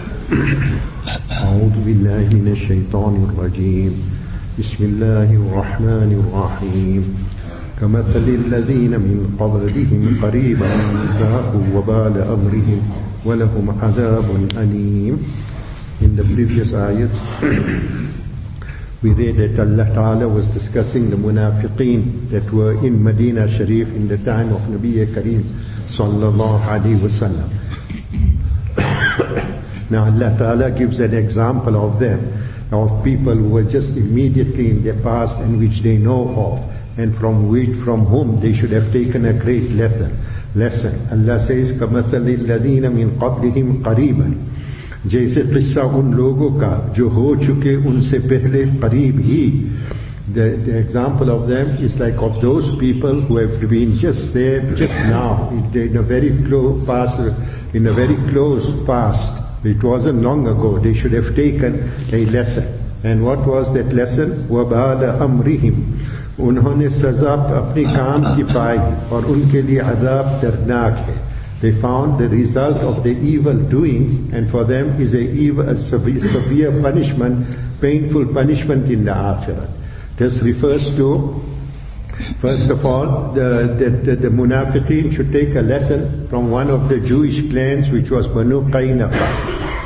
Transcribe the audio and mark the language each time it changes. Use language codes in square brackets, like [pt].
[ar] أعوذ بالله من الشيطان الرجيم. بسم الله الرحمن الرحيم. كمثل الذين من قبلهم قريبا ذاقوا وبال أمرهم ولهم عذاب أليم. [en] In the previous ayats, we read that Allah Ta'ala was discussing the munafiqeen that were in Medina Sharif in the time of Nabiya Kareem sallallahu alayhi wa sallam. Now Allah Ta'ala gives an example of them, of people who were just immediately in their past and which they know of, and from which, from whom they should have taken a great lesson. Allah says, [ar] كَمَثَلِ الَّذِينَ مِنْ قَبْلِهِمْ قَرِيبًا. [ur] جیسے قصہ ان لوگوں کا جو ہو چکے ان سے پہلے قریب ہی. [en] The example of them is like of those people who have been just there, just now, in a very close past. It wasn't long ago. They should have taken a lesson. And what was that lesson? [ar] وَبَعَدَ أَمْرِهِمْ. [ur] انہوں نے سزا اپنی کام کی پائی اور ان کے لئے عذاب درناک ہے. [en] They found the result of the evil doings, and for them is a severe punishment, painful punishment in the Akhirah. This refers to, first of all, the Munafiqeen should take a lesson from one of the Jewish clans, which was Banu Qaynaqa.